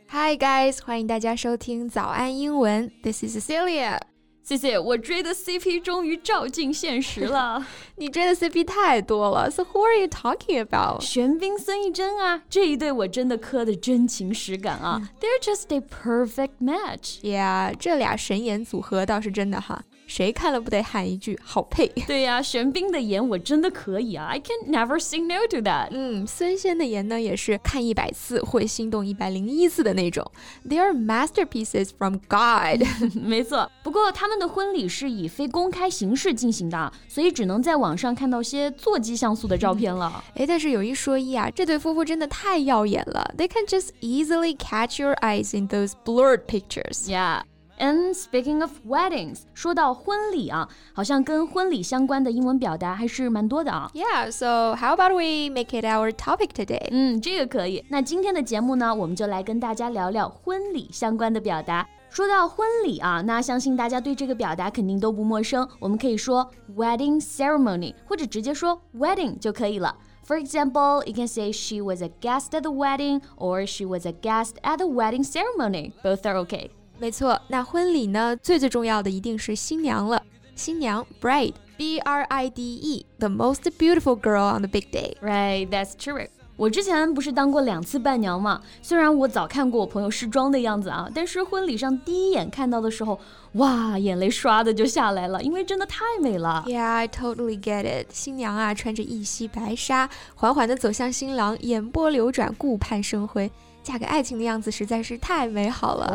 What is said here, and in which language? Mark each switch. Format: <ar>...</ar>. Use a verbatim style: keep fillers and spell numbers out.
<en>Hi guys,</en> <zh>欢迎大家收听早安英文。</zh> <en>This is Cecilia.</en> <zh>谢谢，我追的 C P 终于照进现实了。你追的 C P 太多了 ，</zh> <en>So who are you talking about？</en> <zh>玄彬孙艺珍啊，这一对我真的磕的真情实感啊、嗯、</zh> <en>They're just a perfect match。</en> <zh>Yeah， 这俩神颜组合倒是真的哈，谁看了不得喊一句好配。对呀、啊，玄彬的颜我真的可以啊 ，</zh> <en>I can never say no to that。</en> <zh>嗯，孙俪的颜呢也是看一百次会心动一百零一次的那种。</zh> <en>They are masterpieces from God 。</en> <zh>没错，不过他们。他们的婚礼是以非公开形式进行的，所以只能在网上看到些做迹像素的照片了、嗯、但是有一说一啊，这对夫妇真的太耀眼了。</zh> <en>They can just easily catch your eyes in those blurred pictures. Yeah. And speaking of weddings,</en> <zh>说到婚礼啊，好像跟婚礼相关的英文表达还是蛮多的啊。</zh> <en>Yeah, so how about we make it our topic today?</en> <zh>嗯，这个可以。那今天的节目呢，我们就来跟大家聊聊婚礼相关的表达。说到婚礼啊，那相信大家对这个表达肯定都不陌生，我们可以说 wedding ceremony 或者直接说 wedding 就可以了。</zh> <en>For example, you can say she was a guest at the wedding or she was a guest at the wedding ceremony. Both are okay.</en> <zh>没错，那婚礼呢，最最重要的一定是新娘了。新娘</zh> <en>bride, B R I D E, the most beautiful girl on the big day. Right, that's true.</en> <zh>我之前不是当过两次伴娘嘛，虽然我早看过我朋友试妆的样子啊，但是婚礼上第一眼看到的时候，哇，眼泪刷的就下来了，因为真的太美了。</zh> <en>Yeah, I totally get it.</en> <zh>新娘啊，穿着一袭白纱，缓缓地走向新郎，眼波流转，顾盼生辉，嫁给爱情的样子实在是太美好了。</zh>